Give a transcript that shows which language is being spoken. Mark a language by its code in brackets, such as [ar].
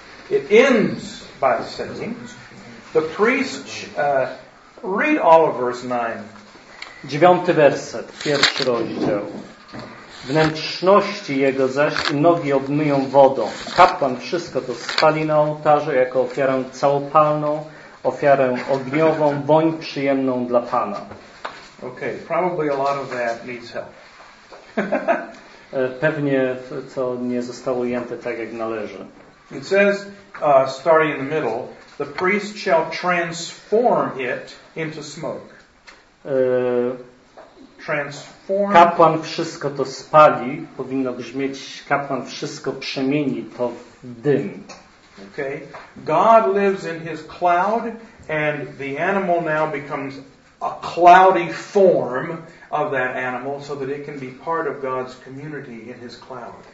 [en] It ends by saying, the priest, read all of verse 9. [pl] 9 werset, pierwszy rozdział. Wnętrzności jego zaś i nogi obmyją wodą. Kapłan wszystko to spali na ołtarzu jako ofiarę całopalną, ofiarę ogniową, woń przyjemną dla Pana. [en] Okay, probably a lot of that needs help. [pl] Pewnie to nie zostało ujęte tak, jak należy. [en] It says, starting in the middle, the priest shall transform it into smoke. Transform. [pl] Kapłan wszystko to spali, powinno brzmieć, kapłan wszystko przemieni to w dym. [en] Okay. God lives in his cloud and the animal now becomes a cloudy form of that animal so that it can be part of God's community in his cloud.